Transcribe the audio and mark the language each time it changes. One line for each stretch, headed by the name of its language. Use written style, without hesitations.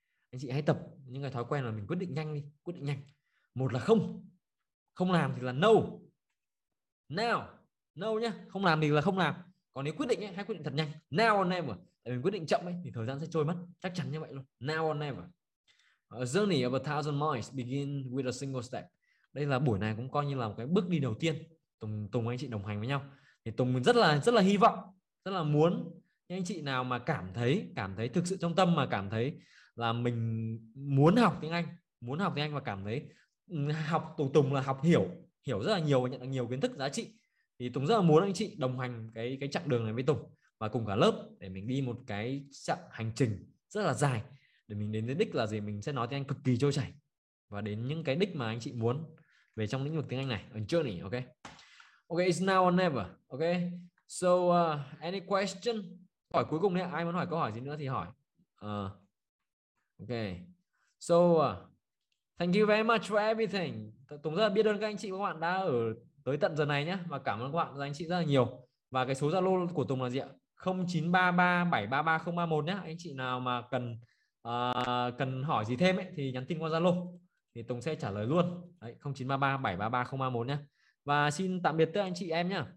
Vietnamese: Anh chị hãy tập những cái thói quen là mình quyết định nhanh đi, quyết định nhanh. Một là không. Không làm thì là no. Now. No nhá, không làm thì là không làm. Còn nếu quyết định ấy, hãy quyết định thật nhanh.
English: Now or never.
Vietnamese: Tại mình quyết định chậm ấy thì thời gian sẽ trôi mất, chắc chắn như vậy luôn.
English: Now or never. A journey of 1,000 miles begin with a single step.
Vietnamese: Đây là buổi này cũng coi như là một cái bước đi đầu tiên. Tùng anh chị đồng hành với nhau. Thì Tùng rất là hy vọng, rất là muốn những anh chị nào mà cảm thấy thực sự trong tâm mà cảm thấy là mình muốn học tiếng Anh và cảm thấy học Tùng là học hiểu rất là nhiều và nhận được nhiều kiến thức giá trị. Thì Tùng rất là muốn anh chị đồng hành cái chặng đường này với Tùng và cùng cả lớp để mình đi một cái chặng hành trình rất là dài. Để mình đến đích là gì? Mình sẽ nói tiếng Anh cực kỳ trôi chảy và đến những cái đích mà anh chị muốn về trong lĩnh vực tiếng Anh này.
English: A journey, ok? Ok, it's now or never. Ok, so any question?
Vietnamese: Hỏi cuối cùng đấy, ai muốn hỏi câu hỏi gì nữa thì hỏi.
English: Ok, so thank you very much for everything.
Vietnamese: Tùng rất là biết ơn các anh chị và các bạn đã ở tới tận giờ này nhé. Và cảm ơn các bạn và anh chị rất là nhiều. Và cái số Zalo của Tùng là gì ạ? 0933733031 nhé. Anh chị nào mà cần hỏi gì thêm ấy, thì nhắn tin qua Zalo thì Tùng sẽ trả lời luôn. Đấy, 0933733031 nhé. Và xin tạm biệt tất cả anh chị em nhé.